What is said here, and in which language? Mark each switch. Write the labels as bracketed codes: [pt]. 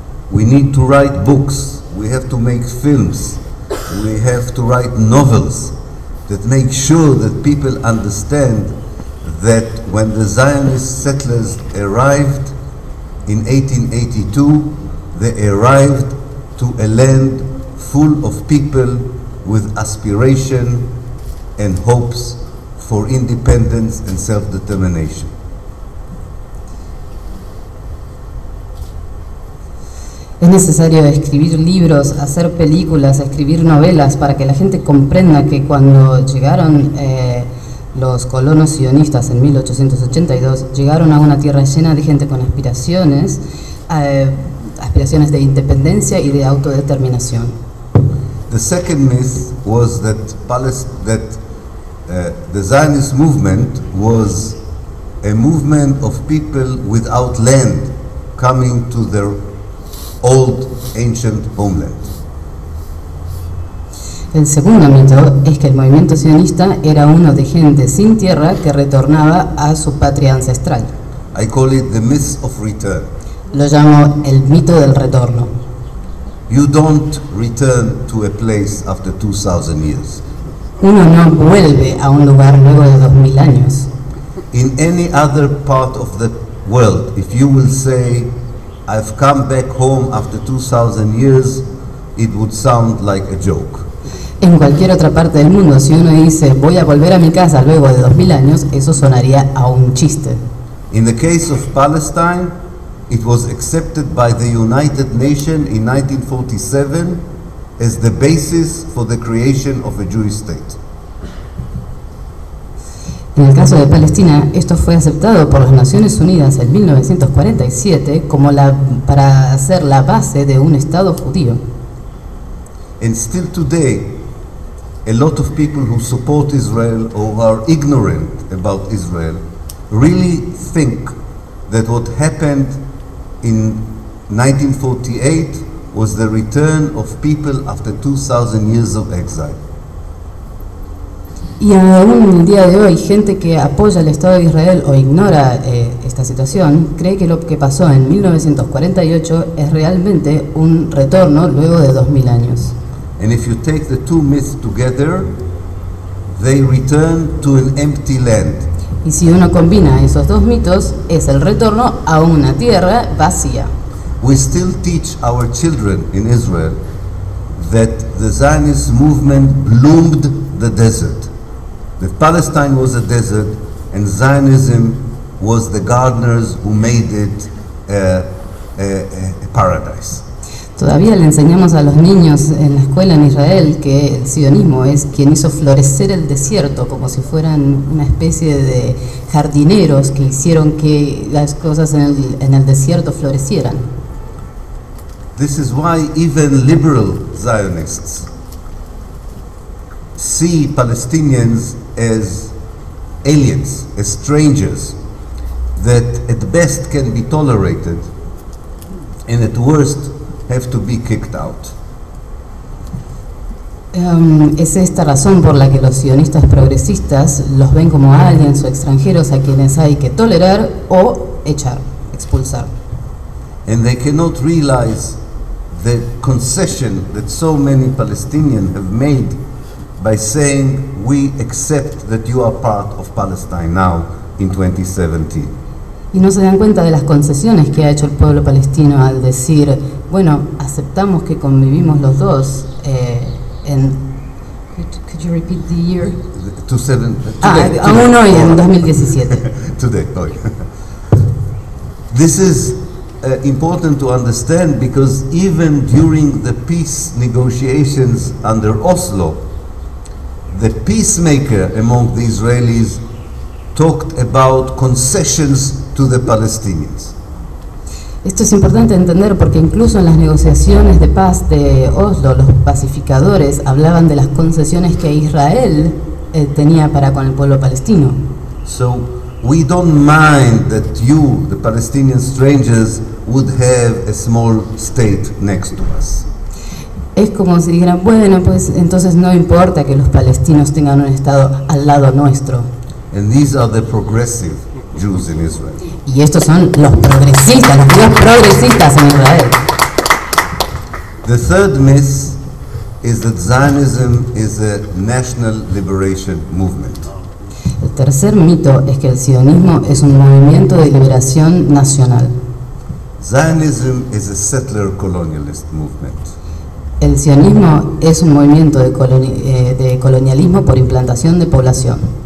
[en] We need to write books, we have to make films, we have to write novels that make sure that people understand that when the Zionist settlers arrived in 1882, they arrived to a land full of people with aspiration and hopes for independence and self-determination. [es] ¿Es necesario escribir libros, hacer películas, escribir novelas para que la gente comprenda que cuando llegaron los colonos sionistas en 1882, llegaron a una tierra llena de gente con aspiraciones, aspiraciones de independencia y de autodeterminación? [en] The second myth was that the Zionist movement was a movement of people without land coming to their old ancient homeland. [es] El segundo mito es que el movimiento sionista era uno de gente sin tierra que retornaba a su patria ancestral. [en] I call it the myth of return. [es] Lo llamo el mito del retorno. [en] You don't return to a place after 2,000 years. [es] Uno no vuelve a un lugar luego de 2,000 años. [en] In any other part of the world, if you will say, I've come back home after 2,000 years, it would sound like a joke. [es] En cualquier otra parte del mundo, si uno dice, voy a volver a mi casa luego de 2,000 años, eso sonaría a un chiste. [en] In the case of Palestine, it was accepted by the United Nations in 1947 as the basis for the creation of a Jewish state. [es] En el caso de Palestina, esto fue aceptado por las Naciones Unidas en 1947 como para hacer la base de un Estado judío. [en] And still today, a lot of people who support Israel or are ignorant about Israel really think that what happened in 1948 was the return of people after 2,000 years of exile. [es] Y aún en el día de hoy, gente que apoya el Estado de Israel o ignora esta situación, cree que lo que pasó en 1948 es realmente un retorno luego de 2,000 años. [en] And if you take the two myths together, they return to an empty land. [es] Y si uno combina esos dos mitos, es el retorno a una tierra vacía. [en] We still teach our children in Israel that the Zionist movement bloomed the desert. The Palestine was a desert, and Zionism was the gardeners who made it a paradise. [es] Todavía le enseñamos a los niños en la escuela en Israel que el sionismo es quien hizo florecer el desierto, como si fueran una especie de jardineros que hicieron que las cosas en el desierto florecieran. [en] This is why even liberal Zionists see Palestinians as aliens, as strangers, that at best can be tolerated, and at worst have to be kicked out. [es] Es esta razón por la que los sionistas progresistas los ven como aliens o extranjeros a quienes hay que tolerar o echar, expulsar. [en] And they cannot realize the concession that so many Palestinians have made by saying, we accept that you are part of Palestine now in 2017. [es] Y no se dan cuenta de las concesiones que ha hecho el pueblo palestino al decir, bueno, aceptamos que convivimos los dos en... [en] Could you repeat the year? [es] Aún hoy, en 2017. [en] Today, hoy. This is important to understand because even during the peace negotiations under Oslo, the peacemaker among the Israelis talked about concessions to the Palestinians. [es] Esto es importante entender porque incluso en las negociaciones de paz de Oslo, los pacificadores hablaban de las concesiones que Israel tenía para con el pueblo palestino. [en] So we don't mind that you, the Palestinian strangers, would have a small state next to us. [es] Es como si dijeran, bueno, pues entonces no importa que los palestinos tengan un estado al lado nuestro. [en] And these are the progressive Jews in Israel. [es] Y estos son los judíos progresistas en Israel. [en] The third myth is that Zionism is a national liberation movement. [es] El tercer mito es que el sionismo es un movimiento de liberación nacional. [en] Zionism is a settler colonialist movement. [es] El sionismo es un movimiento de colonialismo por implantación de población.